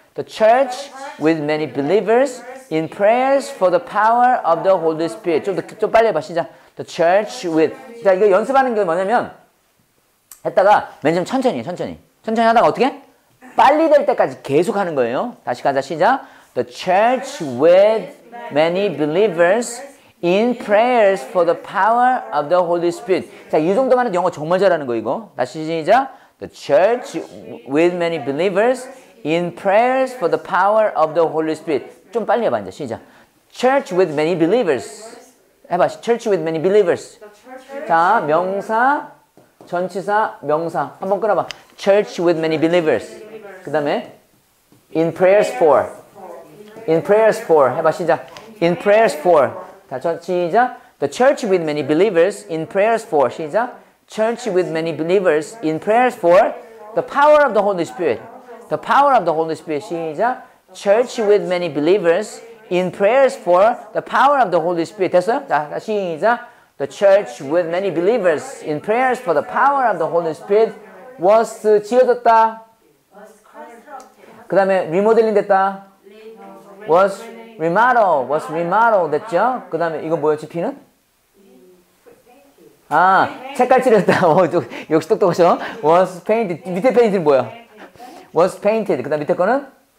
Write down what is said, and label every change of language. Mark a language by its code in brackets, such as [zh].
[en] The church with many believers in prayers for the power of the Holy Spirit. [ko] 좀 빨리 해봐, 시작. [en] The church with. [ko] 자, 이거 연습하는 게 뭐냐면, 했다가 맨 처음 천천히, 천천히. 천천히 하다가 어떻게? 빨리 될 때까지 계속 하는 거예요. 다시 가자, 시작. [en] The church with many believers in prayers for the power of the Holy Spirit. [ko] 자, 이 정도만은 영어 정말 잘하는 거 이거. 다시 시작. [en] The church with many believers in prayers for the power of the Holy Spirit. [ko] 좀 빨리 해봐 이제 시작. [en] Church with many believers. [ko] 해봐. [en] Church with many believers. [ko] 자, 명사, 전치사, 명사. 한번 끌어봐. [en] Church with many believers. [ko] 그 다음에 [en] in prayers for. In prayers for. [ko] 해봐 시작. [en] In prayers for. 자, 시작. The church with many believers in prayers for. [ko] 시작. [en] Church with many believers in prayers for the power of the Holy Spirit. The power of the Holy Spirit. 시작. Church with many believers in prayers for the power of the Holy Spirit. [ko] 됐어요? 자, 시작. [en] The church with many believers in prayers for the power of the Holy Spirit was 지어졌다. [ko] 그 다음에 리모델링 됐다. [en] Was remodel. [ko] Was remodel 됐죠? 그 다음에 이거 뭐였지? P는? 아, 색깔 칠했다. 역시 똑똑하셔. [en] Was painted. [ko] 밑에 페인트는 뭐야? Was painted. 그 다음 밑에 거는?